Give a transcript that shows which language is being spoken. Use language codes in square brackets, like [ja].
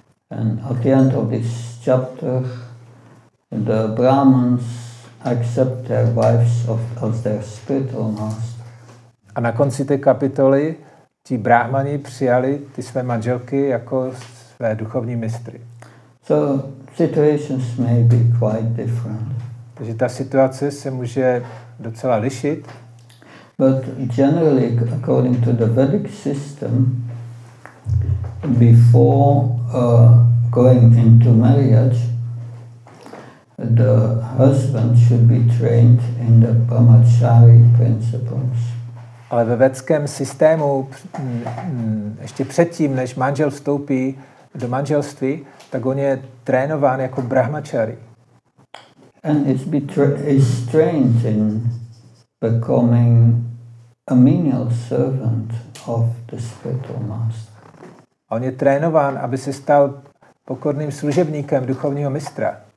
[en] And at the end of this chapter, the Brahmins accept their wives as their spiritual master. [cs] A na konci té kapitoly ti Brahmani přijali ty své manželky jako své duchovní mistry. [en] So situations may be quite different. [cs] Takže ta situace se může docela lišit. [en] But generally, according to the Vedic system, before going into marriage, the husband should be trained in the Brahmachari principles. [cs] Ale ve vedském systému ještě předtím, než manžel vstoupí do manželství, tak on je trénován jako Brahmachari. [en] And is trained in becoming a menial servant of the spiritual master. [cs] A on je trénován, aby se stal pokorným služebníkem duchovního mistra.